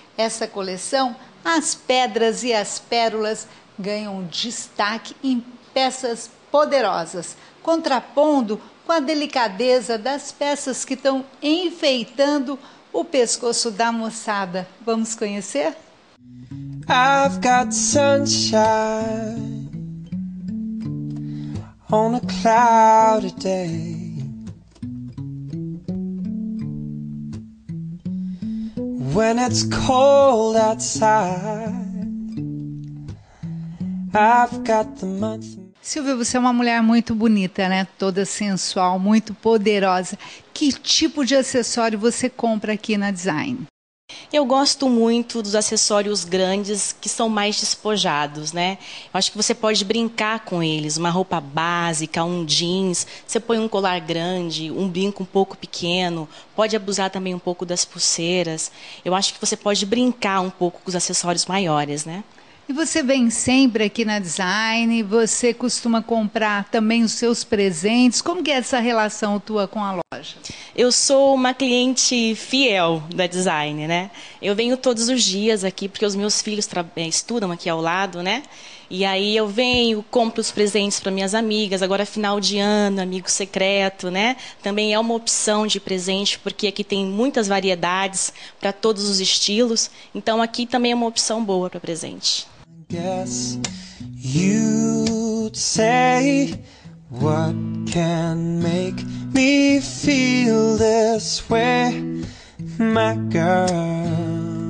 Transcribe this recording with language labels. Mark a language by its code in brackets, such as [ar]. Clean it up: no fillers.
[pt] Essa coleção, as pedras e as pérolas, ganham destaque em peças poderosas, contrapondo com a delicadeza das peças que estão enfeitando o pescoço da moçada. Vamos conhecer? [en] I've got sunshine on a cloudy day. When it's cold outside, I've got the month. [pt] Silvia, você é uma mulher muito bonita, né? Toda sensual, muito poderosa. Que tipo de acessório você compra aqui na Design? Eu gosto muito dos acessórios grandes, que são mais despojados, né? Eu acho que você pode brincar com eles, uma roupa básica, um jeans, você põe um colar grande, um brinco um pouco pequeno, pode abusar também um pouco das pulseiras. Eu acho que você pode brincar um pouco com os acessórios maiores, né? E você vem sempre aqui na Design, você costuma comprar também os seus presentes. Como que é essa relação tua com a loja? Eu sou uma cliente fiel da Design, né? Eu venho todos os dias aqui, porque os meus filhos estudam aqui ao lado, né? E aí eu venho, compro os presentes para minhas amigas, agora final de ano, amigo secreto, né? Também é uma opção de presente, porque aqui tem muitas variedades para todos os estilos. Então aqui também é uma opção boa para presente. [en] Guess you'd say what can make me feel this way, my girl.